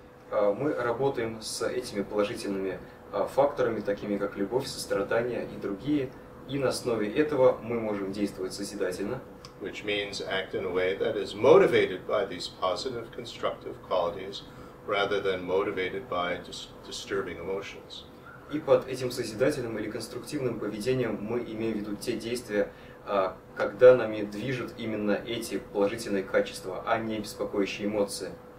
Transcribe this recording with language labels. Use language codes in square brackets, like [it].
[ru] Мы работаем с этими положительными факторами, такими как любовь, сострадание и другие. И на основе этого мы можем действовать созидательно. [en] Which means act in a way that is motivated by these positive constructive qualities rather than motivated by disturbing emotions. [ru] И под этим созидательным или конструктивным поведением мы имеем в виду те действия, когда нами движут именно эти положительные качества, а не беспокоящие эмоции.